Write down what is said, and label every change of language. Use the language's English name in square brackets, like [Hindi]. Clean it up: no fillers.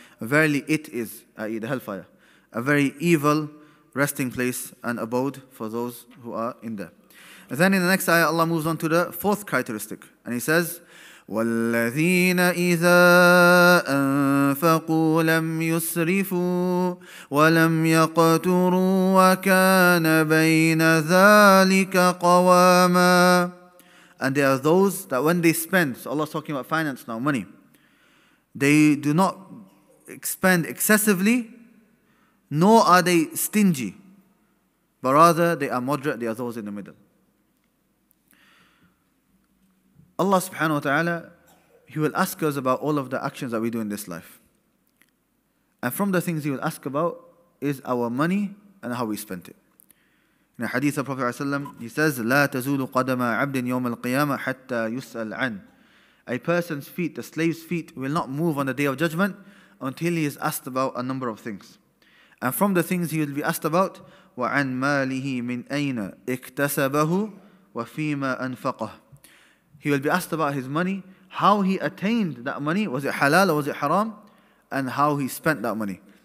[English] Verily it is, i.e. the hellfire, a very evil resting place and abode for those who are in there. And then in the next ayah, Allah moves on to the fourth characteristic. And He says, [Arabic] وَالَّذِينَ إِذَا أَنفَقُوا لَمْ يُسْرِفُوا وَلَمْ يَقْتُرُوا وَكَانَ بَيْنَ ذَٰلِكَ قَوَامًا. [English] And there are those that when they spend, so Allah's talking about finance now, money, they do not expend excessively, nor are they stingy, but rather they are moderate, they are those in the middle. Allah subhanahu wa ta'ala, He will ask us about all of the actions that we do in this life. And from the things He will ask about is our money and how we spent it. In a hadith of Prophet ﷺ, He says, [Arabic] لا تزول قدم عبد يوم القيامة حتى يسأل عن. [English] A person's feet, the slave's feet, will not move on the Day of Judgment until he is asked about a number of things. And from the things he will be asked about, [Arabic] وَعَنْ مَالِهِ مِنْ أَيْنَ اِكْتَسَبَهُ وَفِيمَا أَنْفَقَهُ. [English] He will be asked about his money, how he attained that money, was it halal or was it haram, and how he spent that money.